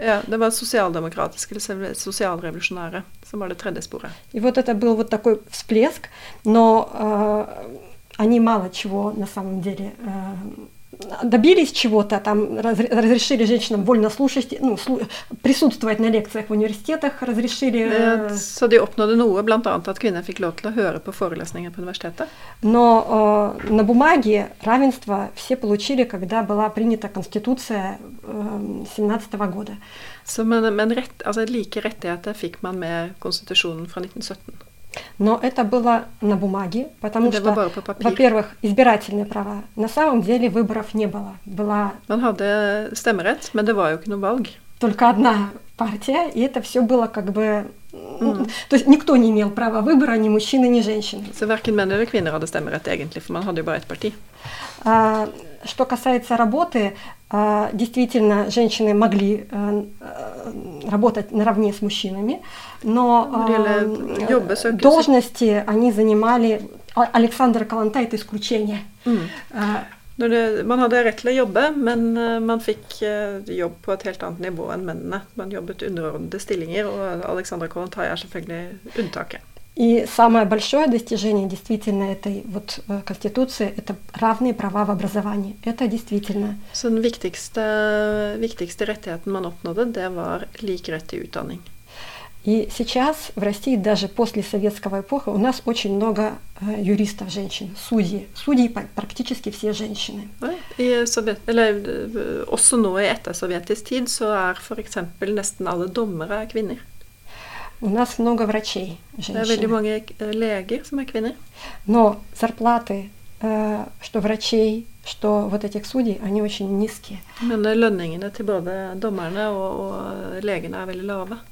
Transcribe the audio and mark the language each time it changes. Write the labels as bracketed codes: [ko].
[no] Ja, det var socialdemokratisk, eller socialrevolutionære, som var det tredje sporet. [ru] И вот это был вот такой всплеск, но... Они мало чего на самом деле добились чего-то, там разрешили женщинам вольно слушать, ну, присутствовать на лекциях в университетах, разрешили. [no] Så de oppnådde noe, blant annet at kvinner fikk lov til å høre på forelesninger på universitetet. [ru] Но на бумаге равенство все получили, когда была принята конституция 17 года. [no] Så men rett, altså like rettigheter fikk man med konstitusjonen fra 1917. [ru] Но это было на бумаге, потому что, во-первых, избирательные права. На самом деле выборов не было. [no] Man hadde stemmerett, men det var jo ikke noe valg. [ru] Только одна партия, и это все было как бы... То есть никто не имел права выбора, ни мужчины, ни женщины. [no] Så hverken menn eller kvinner hadde stemmerett egentlig, for man hadde jo bare ett parti. [ru] Что касается работы, действительно, женщины могли работать наравне с мужчинами, но должности они занимали... Александр Каланта – это исключение. [no] Man hadde rett til å jobbe, men man fikk jobb på et helt annet nivå enn mennene. Man jobbet underordnede stillinger, og Alexander Kolontai selvfølgelig unntaket. [ru] И самое большое достижение действительно этой вот конституции – это равные права в образовании. Это действительно. [no] Så den viktigste rettigheten man oppnådde, det var lik rett til utdanning. [ru] И сейчас в России, даже после советского эпохи, у нас очень много юристов женщин, судьи практически все женщины. И совет, [sv] eller också nu i ettersovjetisk tid, så är för exempel nästan alla domare kvinnor. [ru] У нас много врачей, женщин. [sv] Det är väldigt många läger som är kvinnor. [ru] Но зарплаты, что врачей, что вот этих судей, они очень низкие. [no] Men lønningene til både dommerne og legene [sv] är väldigt [no] lave.